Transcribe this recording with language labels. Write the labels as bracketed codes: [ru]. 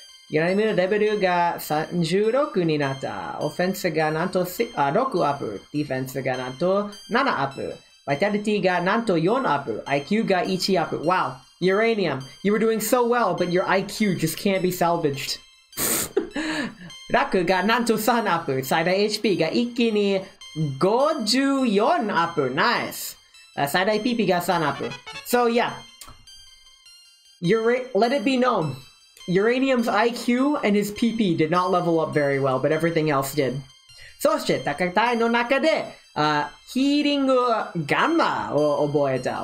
[ja] ユダリモのレベルが36になった。オフェンスがなんと6アップ。ディフェンスがなんと7アップ。バイタリティがなんと4アップ。 IQ が1アップ。 [en] Wow, Uranium, you were doing so well, but your IQ just can't be salvaged. [ja] ラクがなんと3アップ。最大 HP が一気に54 [en] up, nice. Side eye PP got 3 up. So, yeah. Let it be known. Uranium's IQ and his PP did not level up very well, but everything else did. [ja] そして、戦いの中で、ヒーリングガンマを覚えた。